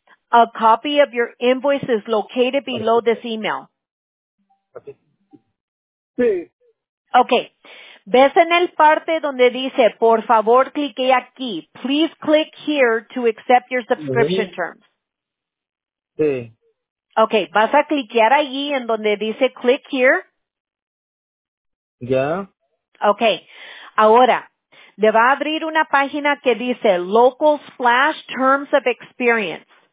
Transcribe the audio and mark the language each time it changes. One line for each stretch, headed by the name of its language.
English: A copy of your invoice is located below this email. Okay.
Spanish: ¿Ves en el parte donde dice, por favor, clique aquí?
English: Please click here to accept your subscription terms.
Spanish: Sí. Okay, vas a cliquear allí en donde dice
English: click here.
Spanish: Ya. Okay, ahora le va a abrir una página que dice local / terms of experience.